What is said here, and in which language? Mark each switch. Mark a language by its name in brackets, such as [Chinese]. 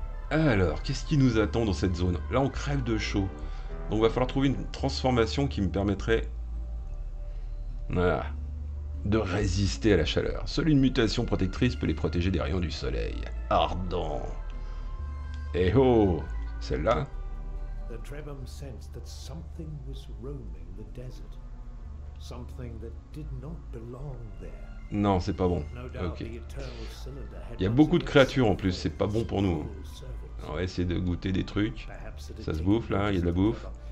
[French] Alors, qu'est-ce qui nous attend dans cette zone? Là, on crève de chaud. Donc, il va falloir trouver une transformation qui me permettrait... Voilà. De résister à la chaleur. Seule une mutation protectrice peut les protéger des rayons du soleil. Ardent. Eh oh, celle-là. [English] The Trebum sensed that something was roaming the desert. Something that did not belong there. [French] Non, c'est pas bon. Ok. Il y a beaucoup de créatures en plus, c'est pas bon pour nous. On va essayer de goûter des trucs. Ça se bouffe là, il y a de la bouffe.